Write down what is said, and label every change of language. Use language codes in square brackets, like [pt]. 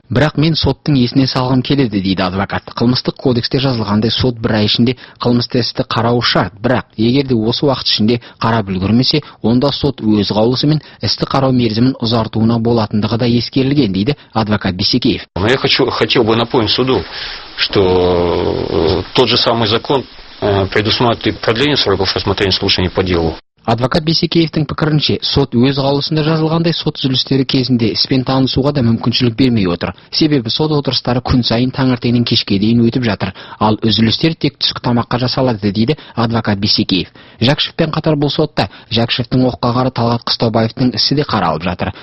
[kk] Бірақ мен соттың есіне салғым келеді, дейді адвокат. Қылмыстық кодексте жазылғандай, сот бір ай ішінде қылмысты істі қарауы шарт, бірақ егер де осы уақыт ішінде қарап үлгермесе, онда сот өз қаулысымен істі қарау мерзімін ұзартуына болатындығы да ескерілген, дейді адвокат. [ru] Но я хотел бы напомнить суду, что тот же самый закон предусматривает продление сроков рассмотрения слушаний по делу. [kk] Адвокат Бейсекеевтің пікірінше, сот өз қаулысында жазылғандай сот үзілістері кезінде іспен танысуға да мүмкіншілік бермей отыр. Себебі сот отырыстары күн сайын таңертеңнен кешке дейін өтіп жатыр, ал үзілістер тек түскі тамаққа жасалады, дейді адвокат Бейсекеев. Жақшевпен қатар бұл сотта Жақшевтің оққағары Талғат Қыстаубаевтың ісі де қаралып жатыр.